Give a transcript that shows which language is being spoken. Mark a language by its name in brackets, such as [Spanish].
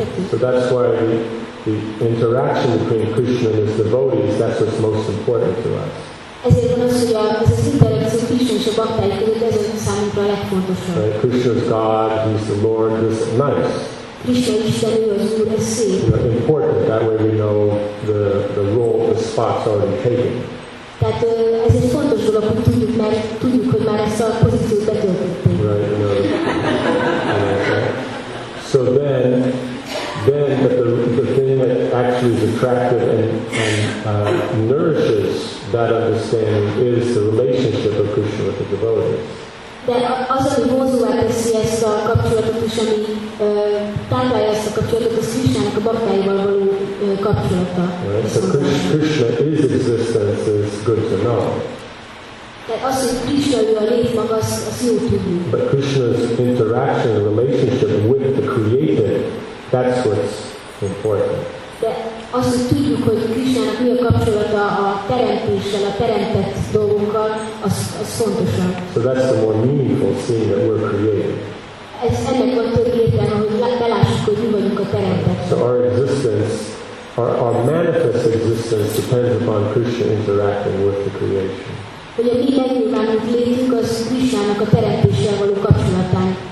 [English] So that's why the interaction between Krishna and his devotees, that's what's most important to us. [Hungarian] Ezért van az, hogy ez az interakció Krishna és a baktáj között, ez az számunkra a legfontosabb. [English] Right, Krishna is God, he's the Lord, this is nice. [Hungarian] Krishna Isten, ő az Úr, ez szép. [English] You know, important, that way we know the role, the spot's already taken. [Hungarian] Tehát ez egy fontos dolog, hogy tudjuk, mert tudjuk, hogy már ezt a pozíciót betöltöttünk. [English] Right, no. So then but the thing that actually is attractive and nourishes that understanding is the relationship of Krishna with the devotees. [Hungarian] De az, ami vonzóvá teszi ezt a kapcsolatot is, ami táplálja ezt a kapcsolatot, az Krishnának a baktáival való kapcsolata. [English] Right. So Krishna is existence is good to know. [Hungarian] Tehát az, hogy Krishna ő a lét maga, az jó tudni. [English] But Krishna's interaction and relationship with the Creator, that's what's important. [Hungarian] De az, hogy tudjuk, hogy Krishnának mi a kapcsolata a teremtéssel, a teremtett dolgokkal, az fontosabb. [English] So that's the more meaningful thing that we're created. [Hungarian] Ez ennek van több értelme, hogy belássuk, hogy mi vagyunk a teremtett. [English] So our existence, our manifest existence depends upon Krishna interacting with the creation. [Hungarian] Hogy a mi megnyilvánult létünk az Krishnának a teremtéssel való kapcsolatán.